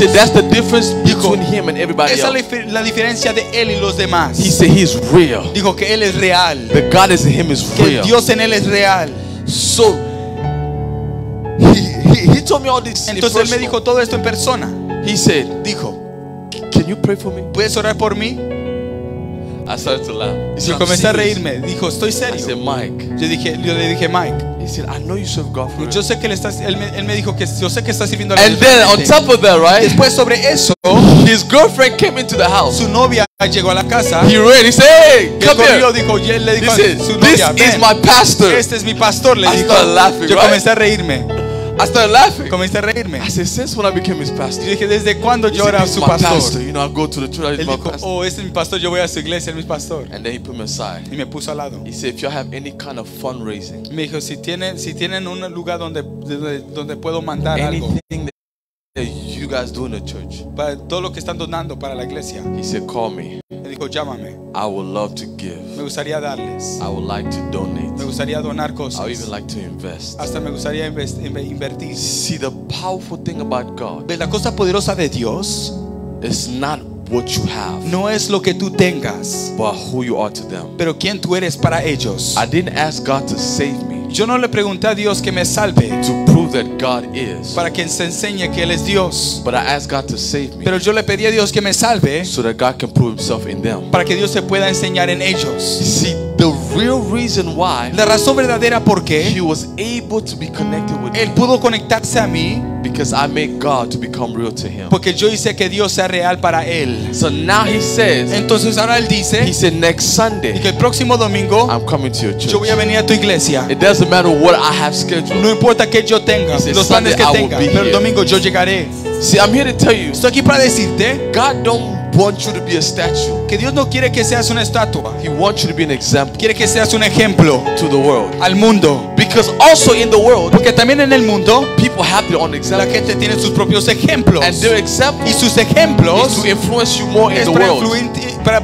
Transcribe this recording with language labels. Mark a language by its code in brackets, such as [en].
[en] He said that's the difference between him and everybody [es] esa [en] else. [es] Esa es la diferencia de él y los demás. [en] He said he's real. [es] Dijo que él es real. [en] The God is in him is [es] que [en] real. [es] Que Dios en él es real. [en] So he told me all this. [es] Entonces él me dijo todo esto en persona. [en] He said. [es] Dijo. [en] Can you pray for me? [es] ¿Puedes orar por mí? [en] I started to laugh. [es] Yo comencé a reírme. Dijo, estoy serio. [en] I said, Mike. [es] Yo le dije, Mike. [en] He said, I know you serve God for [es] yo sé que le estás, él me dijo que yo sé que estás sirviendo. [en] And then on top of that, right? [es] Después sobre eso, [en] his girlfriend came into the house. [es] Su novia llegó a la casa. [en] He ran. He said, hey, come here. [es] Dijo, y él le dijo, [en] this is my pastor. [es] Este es mi pastor. Le [en] I [es] dijo. [en] Started laughing. [es] Yo [en] right? [es] comencé a reírme. [en] I started laughing. [es] Comencé a reírme. [en] I said, since when I became his pastor. [es] Dije, desde cuando yo era su pastor. [en] Pastor. You know, I go to the church. [es] Él dijo, oh, este es mi pastor. Yo voy a su iglesia. Es mi pastor. [en] And then he put me aside. [es] Y me puso al lado. [en] He said, if you have any kind of fundraising. [es] Me dijo, si tienen un lugar donde puedo mandar [en] anything [es] algo. [en] Anything that you guys do in the church. [es] Para todo lo que están donando para la iglesia. [en] He said, call me. [es] Me dijo, llámame. [en] I would love to give. [es] Me gustaría darles. [en] I would like to donate. [es] Me gustaría donar cosas. [en] I would even like to invest. [es] Hasta me gustaría invertir. [en] See, the powerful thing about God. [es] La cosa poderosa de Dios. [en] Is not what you have. [es] No es lo que tú tengas. [en] But who you are to them. [es] Pero quién tú eres para ellos. [en] I didn't ask God to save me. [es] Yo no le pregunté a Dios que me salve. [en] To prove that God is. [es] Para que se enseñe que Él es Dios. [en] But I asked God to save me. [es] Pero yo le pedí a Dios que me salve. [en] So that God can prove himself in them. [es] Para que Dios se pueda enseñar en ellos. [en] See, the real reason why. [es] La razón verdadera por qué. [en] He was able to be connected with [es] Él pudo conectarse a mí. [en] Because I made God to become real to him. [es] Porque yo hice que Dios sea real para él. [en] So now he says. [es] Entonces ahora él dice. [en] He said next Sunday. [es] Y que el próximo domingo. [en] I'm coming to your church. [es] Yo voy a venir a tu iglesia. [en] It doesn't matter what I have scheduled. [es] No importa qué yo tenga. [en] He said, [es] los planes [en] Sunday, [es] que tenga. Pero [en] here. [es] El domingo yo llegaré. [en] See, I'm here to tell you. [es] Estoy aquí para decirte. [en] God don't want you to be a statue. [es] Que Dios no quiere que seas una estatua. [en] He wants you to be an example. [es] Quiere que seas un ejemplo. [en] To the world. [es] Al mundo. [en] Because also in the world. [es] Porque también en el mundo. [en] People have their own examples. [es] La gente tiene sus propios ejemplos. [en] And their example. [es] Y sus ejemplos. [en] Is to influence you more in the [es] para [en] world.